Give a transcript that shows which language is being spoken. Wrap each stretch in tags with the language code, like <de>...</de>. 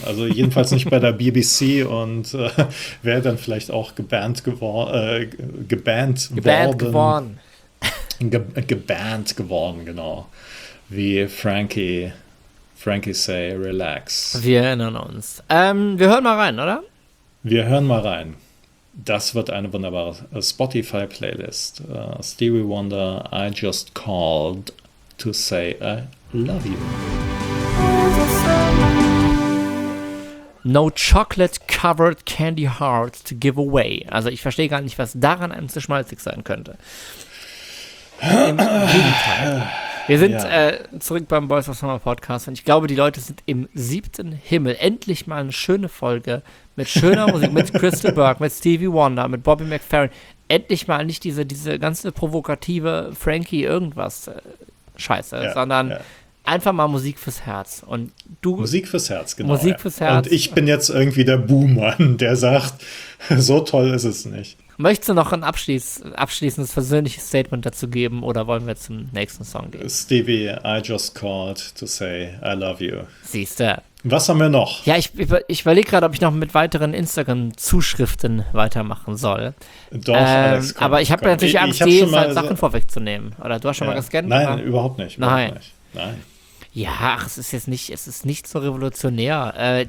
<de>Also jedenfalls nicht bei der BBC und wäre dann vielleicht auch gebannt geworden, genau. Wie Frankie say, relax. Wir erinnern uns. Wir hören mal rein, oder? Wir hören mal rein. Das wird eine wunderbare Spotify-Playlist.</de> <en>Stevie Wonder, I just called to say I love you. No chocolate-covered candy hearts to give away.</en> <de>Also ich verstehe gar nicht, was daran einem zu schmalzig sein könnte. Wir sind zurück beim Boys of Summer Podcast und ich glaube, die Leute sind im siebten Himmel. Endlich mal eine schöne Folge mit schöner Musik, mit Crystal Burke, mit Stevie Wonder, mit Bobby McFerrin. Endlich mal nicht diese ganze provokative Frankie irgendwas Scheiße, sondern einfach mal Musik fürs Herz. Und du, Musik fürs Herz, genau. Musik fürs Herz. Und ich bin jetzt irgendwie der Boomer, der sagt, so toll ist es nicht. Möchtest du noch ein abschließendes persönliches Statement dazu geben oder wollen wir zum nächsten Song gehen?</de> <en>Stevie, I just called to say I love you.</en> <de>Siehste. Was haben wir noch? Ja, ich überlege gerade, ob ich noch mit weiteren Instagram-Zuschriften weitermachen soll. Doch, Alex, komm, aber ich habe natürlich Angst, die halt Sachen vorwegzunehmen. Oder du hast schon mal gescannt? Nein, oder? Überhaupt nicht. Nein. Ja, ach, es ist nicht so revolutionär.</de>